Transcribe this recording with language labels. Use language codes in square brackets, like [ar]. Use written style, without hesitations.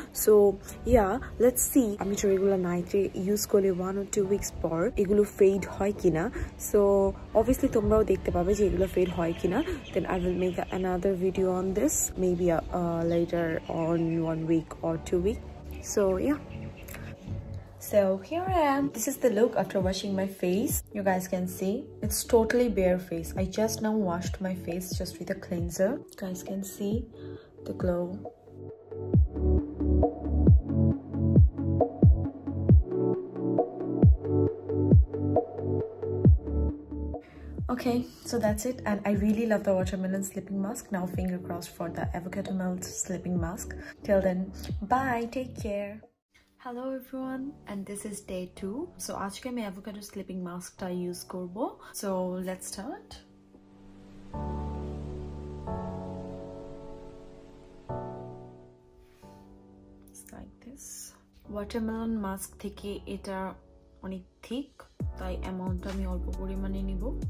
[en] So yeah, let's see আমি যে regular নাইটে ইউজ করলে ওয়ান ও টু উইক্স পর এগুলো ফেড হয় কিনা। সো অবভিয়াসলি তোমরাও দেখতে পাবে যে এগুলো ফেড হয় কিনা, then I will make another video on this maybe later on one week or two week. So yeah, so here I am. This is the look after washing my face. You guys can see it's totally bare face. I just now washed my face just with a cleanser. You guys can see the glow. Okay, so that's it, and I really love the watermelon sleeping mask. Now finger crossed for the avocado melt sleeping mask. Till then, bye, take care. Hello everyone, and this is day 2. So [bn] আজকে আমি avocado sleeping মাস্কটা use করব। [en] So let's start. It's like this. [bn] Watermelon mask থেকে এটা অনেক thick, তাই অ্যামাউন্টটা আমি অল্প পরিমাণে নিব।